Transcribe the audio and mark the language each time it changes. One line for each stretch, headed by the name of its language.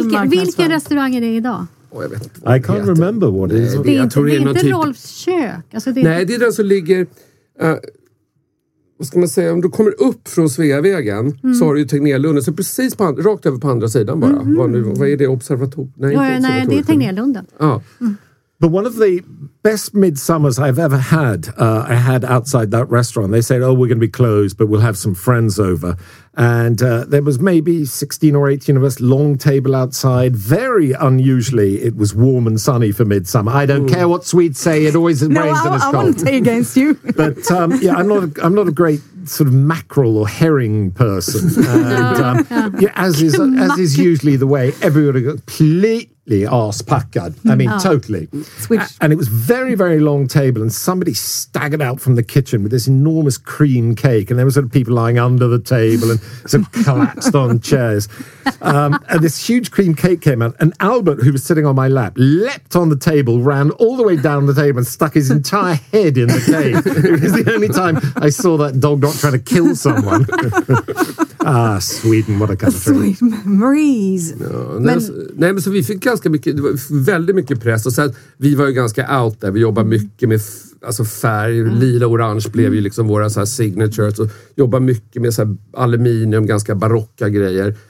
Swedish: vilka restauranger är det idag? Jag vet inte.
English: I can't remember what it is.
Swedish: Det är inte Rolfs kök. Alltså det är nej, det är den som ligger... vad ska man säga, om du kommer upp från Sveavägen så har du ju Tegnérlunden, så precis på rakt över på andra sidan bara. Mm-hmm. Vad är det, observator? Nej, inte observator. Det är Tegnérlunden. Ja. Mm.
English: But one of the best midsummers I've ever had, I had outside that restaurant. They said, oh, we're going to be closed, but we'll have some friends over. And there was maybe 16 or 18 of us, long table outside. Very unusually, it was warm and sunny for midsummer. I don't care what Swedes say, it always rains and it's cold. No, I wouldn't say against you. But yeah, I'm not a great sort of mackerel or herring person. And, as is usually the way, everybody got completely arse-packed. I mean, totally. And it was very, very long table, and somebody staggered out from the kitchen with this enormous cream cake, and there were sort of people lying under the table, some collapsed on chairs. And this huge cream cake came out, and Albert, who was sitting on my lap, leapt on the table, ran all the way down the table and stuck his entire head in the cake. It was the only time I saw that dog not trying to kill someone. Ah, Sweden, what a country. Sweden memories.
Swedish: Nej, men så vi fick ganska mycket, det var väldigt mycket press, och sen vi var ju ganska out där, vi jobbade mycket med alltså färg, lila och orange blev ju liksom våra så här signatures, och jobbade mycket med så här aluminium, ganska barocka grejer.